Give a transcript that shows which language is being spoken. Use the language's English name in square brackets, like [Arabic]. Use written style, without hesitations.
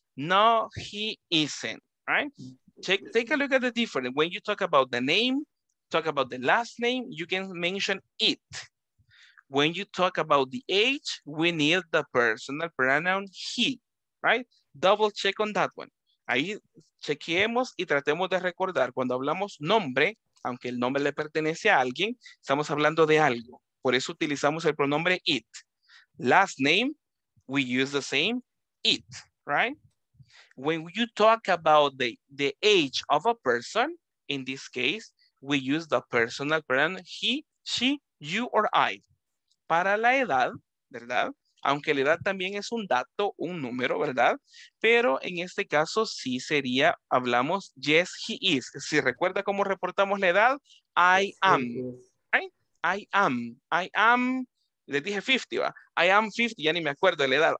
[English] No, he isn't, right? Take a look at the difference. When you talk about the name, talk about the last name, you can mention it. When you talk about the age, we need the personal pronoun he, right? Double check on that one. [Spanish] Ahí chequeemos y tratemos de recordar cuando hablamos nombre, aunque el nombre le pertenece a alguien, estamos hablando de algo. Por eso utilizamos el pronombre it. [English] Last name, we use the same it, right? When you talk about the age of a person, in this case, we use the personal pronoun he, she, you, or I. [Spanish] Para la edad, ¿verdad? Aunque la edad también es un dato, un número, ¿verdad? Pero en este caso sí sería, hablamos, [English] yes, he is. [Spanish] Si recuerda cómo reportamos la edad, [English] I am, right? [Spanish] I am, le dije 50, ¿va? [English] I am 50, [Spanish] ya ni me acuerdo de la edad.